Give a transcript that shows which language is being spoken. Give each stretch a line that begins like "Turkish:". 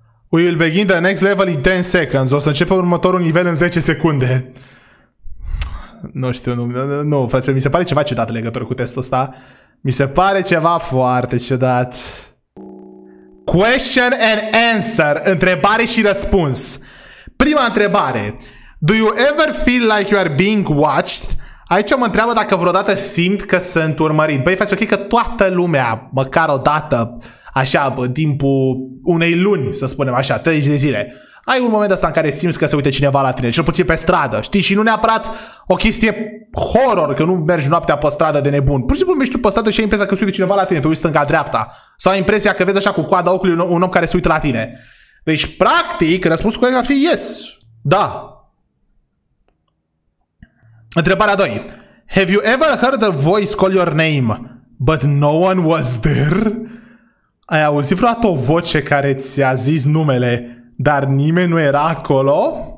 English: We will begin the next level in 10 seconds.
Romanian: O să începe următorul nivel în 10 secunde. Nu știu, nu, frate, mi se pare ceva ciudat legătură cu testul ăsta. Mi se pare ceva foarte ciudat.
English: Question and answer.
Romanian: Întrebare și răspuns. Prima întrebare.
English: Do you ever feel like you are being watched?
Romanian: Aici mă întreabă dacă vreodată simt că sunt urmărit. Băi, faci ok că toată lumea, măcar o dată, așa, bă, timpul unei luni, să spunem așa, 30 de zile, ai un moment ăsta în care simți că se uite cineva la tine, cel puțin pe stradă, știi? Și nu neapărat o chestie horror, că nu mergi noaptea pe stradă de nebun. Pur și simplu mergi tu pe stradă și ai impresia că se uite cineva la tine, te uiți stânga-dreapta. Sau ai impresia că vezi așa cu coada ochiului un om care se uită la tine. Deci, practic, răspunsul corect ar fi yes. Da. Întrebarea 2.
English: Have you ever heard a voice call your name, but no one was there?
Romanian: Ai auzit vreodată o voce care ți-a zis numele, dar nimeni nu era acolo?